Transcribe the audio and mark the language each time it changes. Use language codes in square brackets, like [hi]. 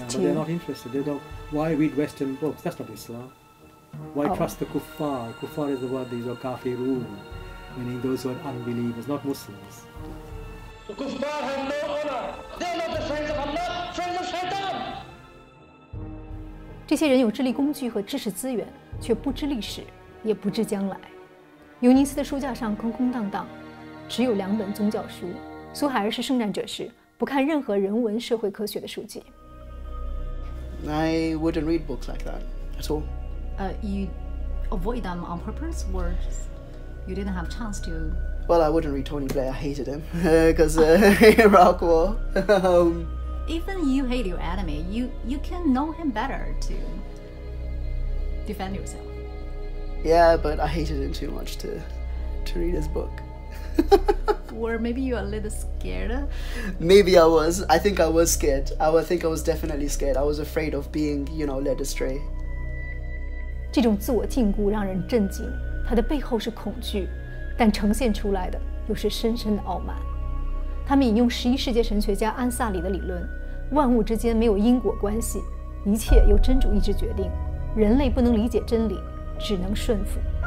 [en] yeah, too. But they're not interested. They don't. Why read Western books? That's not Islam. Why trust the kuffar? Kuffar is the word these are kafirun, meaning those who are unbelievers, not Muslims. The kuffar have no honor. They're not the friends of Allah, friends of Shaitan. [zh] 这些人有智力工具和知识资源，却不知历史，也不知将来。尤尼斯的书架上空空荡荡，只有两本宗教书。苏海尔是圣战者时，不看任何人文社会科学的书籍。 [en] I wouldn't read books like that at all. You avoid them on purpose, or just you didn't have a chance to? Well, I wouldn't read Tony Blair. I hated him because Iraq War. Even you hate your enemy, you can know him better to defend yourself. Yeah, but I hated him too much to read his book. Or maybe you're a little scared? Maybe I was. I think I was scared. I think I was definitely scared. I was afraid of being, you know, led astray. [zh] 这种自我禁锢让人震惊，它的背后是恐惧，但呈现出来的又是深深的傲慢。他们引用十一世纪神学家安萨里的理论，万物之间没有因果关系，一切由真主意志决定，人类不能理解真理，只能顺服。